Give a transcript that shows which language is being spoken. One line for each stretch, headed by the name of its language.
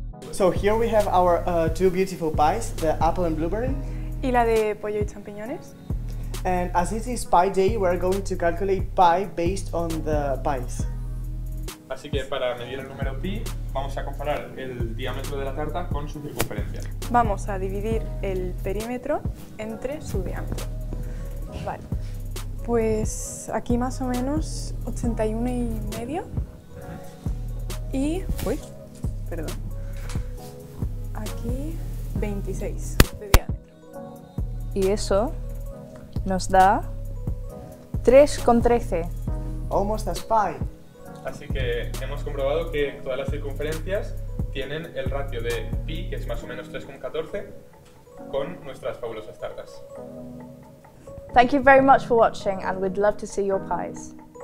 English: So here we have our two beautiful pies, the apple and blueberry.
Spanish: Y la de pollo y champiñones.
English: And as it is pie day, we're going to calculate pie based on the pies.
Spanish: Así que para medir el número pi, vamos a comparar el diámetro de la tarta con su circunferencia. Vamos a dividir el perímetro entre su diámetro. Vale, pues aquí más o menos 81.5. Y... uy, perdón. Aquí 26 de diámetro. Y eso nos da 3,13.
English: almost as pi.
Spanish: Así que hemos comprobado que todas las circunferencias tienen el ratio de pi, que es más o menos 3,14, con nuestras fabulosas tartas.
English: Thank you very much for watching, and we'd love to see your pies.